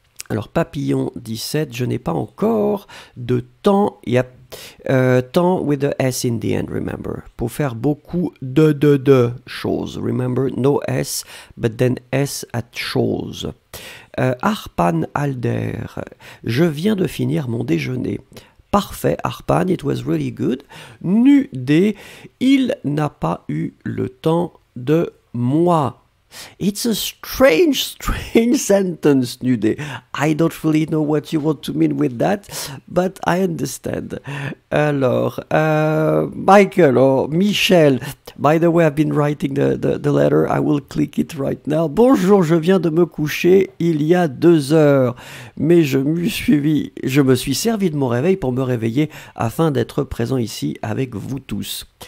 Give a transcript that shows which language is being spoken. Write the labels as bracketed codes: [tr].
[fr] Alors, papillon 17, je n'ai pas encore de temps. [en] Yep. Temps with the S in the end, remember. [fr] Pour faire beaucoup de choses. [en] Remember, no S, but then S at choses. [fr] Arpan Alder, je viens de finir mon déjeuner. Parfait, Arpan, [en] it was really good. [fr] Nudé, il n'a pas eu le temps de moi. [en] It's a strange sentence, Nudé. I don't really know what you want to mean with that, but I understand. Alors, Michael or Michel. By the way, I've been writing the letter. I will click it right now. [fr] Bonjour, je viens de me coucher il y a 2 heures, mais je me suis servi de mon réveil pour me réveiller afin d'être présent ici avec vous tous.